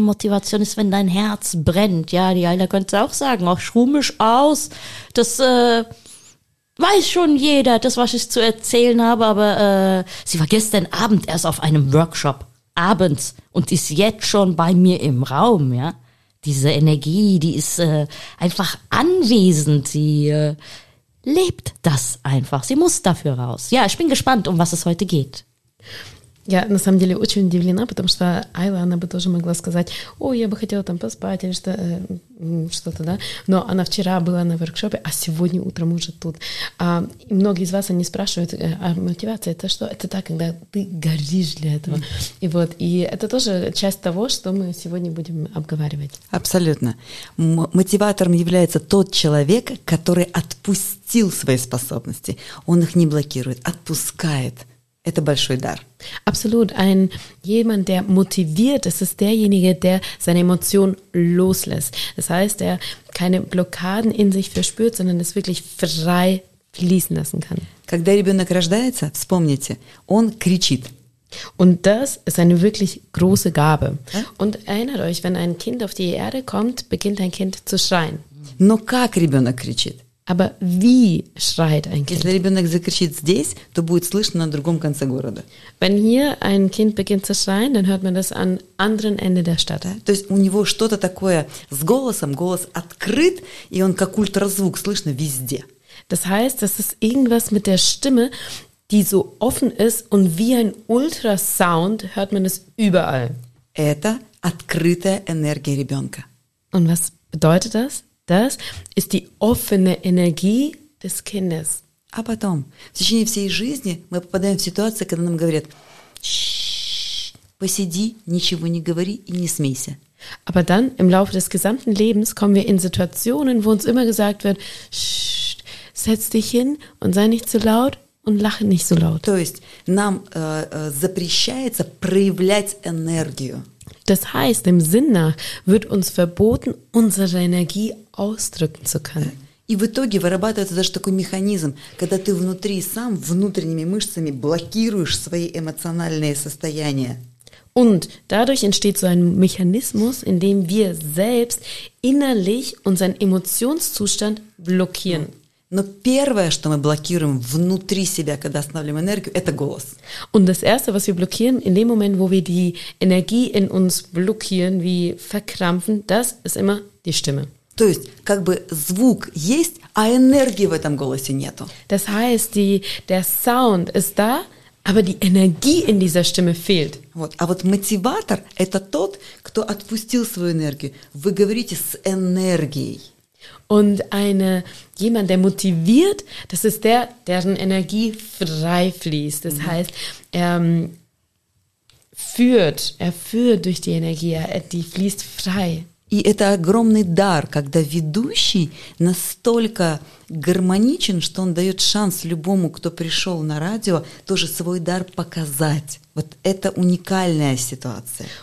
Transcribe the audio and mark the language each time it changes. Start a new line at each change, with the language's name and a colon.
German: Motivation ist, wenn dein Herz brennt. Ja, die Ayla könnte auch sagen, auch schrumisch aus, das weiß schon jeder, das, was ich zu erzählen habe, aber sie war gestern Abend erst auf einem Workshop, abends, und ist jetzt schon bei mir im Raum, ja. Diese Energie, die ist einfach anwesend, sie lebt das einfach, sie muss dafür raus. Ja, ich bin gespannt, um was es heute geht.
Russian: Я на самом деле очень удивлена, потому что Айла, она бы тоже могла сказать, ой, я бы хотела там поспать или что-то, да, но она вчера была на воркшопе, а сегодня утром уже тут. И многие из вас, они спрашивают, а мотивация это что? Это так, когда ты горишь для этого. И вот, и это тоже часть того, что мы сегодня будем обговаривать. Абсолютно. Мотиватором является тот человек, который отпустил свои способности. Он их не блокирует, отпускает. Это большой дар.
German: Absolut. Jemand, der motiviert ist, ist derjenige, der seine Emotionen loslässt. Das heißt, der keine Blockaden in sich verspürt, sondern es wirklich frei fließen lassen kann.
Russian: Когда ребенок рождается, вспомните, он кричит.
German: Und das ist eine wirklich große Gabe. Und erinnert euch, wenn ein Kind auf die Erde kommt, beginnt ein Kind zu schreien.
Russian: Но как ребенок кричит?
German: Aber wie schreit ein Kind?
Russian: Если ребенок закричит здесь, то будет слышно на другом конце города.
German: Wenn hier ein Kind beginnt zu schreien, dann hört man das an anderen Ende der Stadt.
Russian: То есть у него что-то такое с голосом, голос открыт, и он как ультразвук слышно везде.
German: Das heißt, das ist irgendwas mit der Stimme, die so offen ist und wie ein Ultrasound hört man es überall.
Russian: Это открытая энергия ребенка.
German: Und was bedeutet das? Das ist die offene Energie des Kindes.
Russian: А потом, в течение всей жизни мы попадаем в ситуацию, когда нам говорят: посиди, ничего не говори и не смейся.
German: Aber dann im Laufe des gesamten Lebens kommen wir in Situationen, wo uns immer gesagt wird: setz dich hin und sei nicht zu laut und lache nicht so laut.
Russian: То есть нам запрещается проявлять энергию.
German: Das heißt, im Sinn nach wird uns verboten, unsere Energie ausdrücken zu können.
Russian: И в итоге вырабатывается даже такой механизм, когда ты внутри сам внутренними мышцами блокируешь свои эмоциональные состояния.
German: Und dadurch entsteht so ein Mechanismus, in dem wir selbst innerlich unseren Emotionszustand blockieren.
Russian: Но первое, что мы блокируем внутри себя, когда останавливаем энергию, это голос.
German: Und das erste, was wir blockieren in dem Moment, wo wir die Energie in uns blockieren, wie verkrampfen, das ist immer die Stimme.
Russian: То есть, как бы звук есть, а энергии в этом голосе нету.
German: Das heißt, der Sound ist da, aber die Energie in dieser Stimme fehlt.
Russian: Вот. А вот мотиватор – это тот, кто отпустил свою энергию. Вы говорите с энергией.
German: Und jemand, der motiviert, das ist der, deren Energie frei fließt. Das heißt, er führt durch die Energie, die fließt frei.
Russian: И это огромный дар, когда ведущий настолько гармоничен, что он дает шанс любому, кто пришел на радио, тоже свой дар показать. Вот это уникальная ситуация.